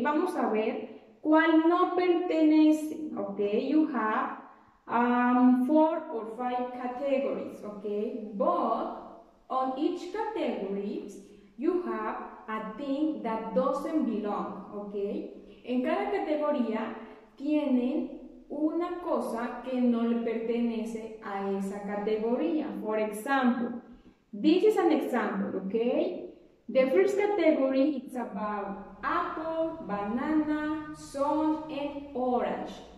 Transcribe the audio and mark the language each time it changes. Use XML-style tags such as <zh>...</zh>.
<es>Vamos a ver cuál no pertenece, okay?</es> <en>You have 4 or 5 categories, okay? But on each category, you have a thing that doesn't belong, okay?</en> <es>En cada categoría tienen una cosa que no le pertenece a esa categoría.</es> <en>For example, this is an example, okay? The first category, it's about apple, banana, sun, and orange.</en>